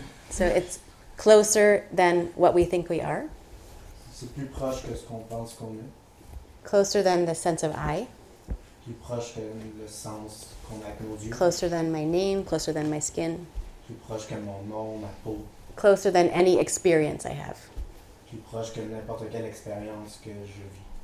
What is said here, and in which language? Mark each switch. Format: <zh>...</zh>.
<en>So it's closer than what we think we are.</en> <fr>C'est plus proche que ce qu'on pense qu'on est.</fr> <en>Closer than the sense of I.</en> <fr>Plus proche que le sens qu'on a nos yeux.</fr> <en>Closer than my name, closer than my skin.</en> <fr>Plus proche que mon nom, ma peau.</fr> <en>Closer than any experience I have.</en> <fr>Plus proche que n'importe quelle expérience que je vis.</fr>